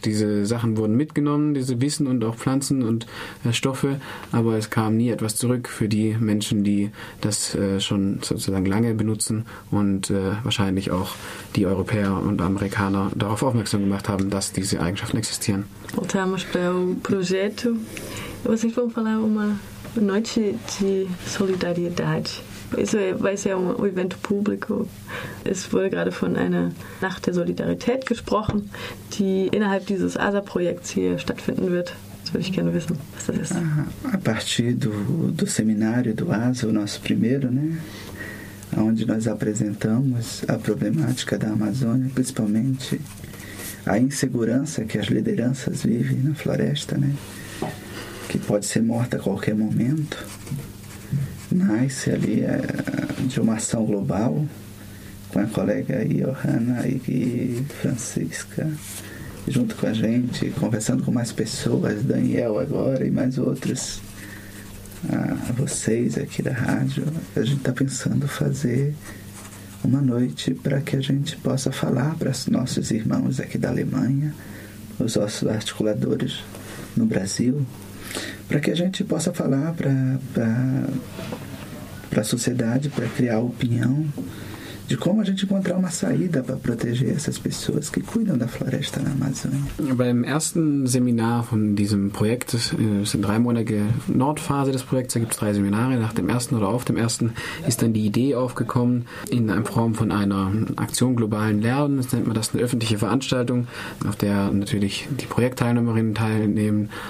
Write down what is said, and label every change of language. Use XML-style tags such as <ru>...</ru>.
<de>Diese Sachen wurden mitgenommen, diese Wissen und auch Pflanzen und Stoffe, aber es kam nie etwas zurück für die Menschen, die das schon sozusagen lange benutzen und wahrscheinlich auch die Europäer und Amerikaner darauf aufmerksam gemacht haben, dass diese Eigenschaften existieren.</de> <pt>Voltamos para o projeto. Vocês vão falar uma noite de solidariedade. Isso vai ser um evento público.</pt> <de>Es wurde gerade von einer Nacht der Solidarität gesprochen, die innerhalb dieses ASA-Projekts hier stattfinden wird. Das würde ich gerne wissen, was das ist.</de> <pt>A partir do seminário do ASA, o nosso primeiro, né? Onde nós apresentamos a problemática da Amazônia, principalmente a insegurança que as lideranças vivem na floresta, né? Que pode ser morta a qualquer momento, nasce ali de uma ação global com a colega Johanna e Francisca, junto com a gente, conversando com mais pessoas, Daniel agora e mais outros, vocês aqui da rádio. A gente está pensando fazer uma noite para que a gente possa falar para os nossos irmãos aqui da Alemanha, os nossos articuladores no Brasil, para que a gente possa falar para a sociedade, para criar opinião de como a gente encontrar uma saída para proteger essas pessoas que cuidam da floresta na Amazônia.</pt> <de>Beim ersten Seminar von diesem Projekt, das ist eine dreimonatige Nordphase des Projekts, da gibt es drei Seminare, nach dem ersten oder auf dem ersten ist dann die Idee aufgekommen, in Form von einer Aktion globalen Lernens, nennt man das, eine öffentliche Veranstaltung, auf der natürlich die Projektteilnehmerinnen teilnehmen,</de>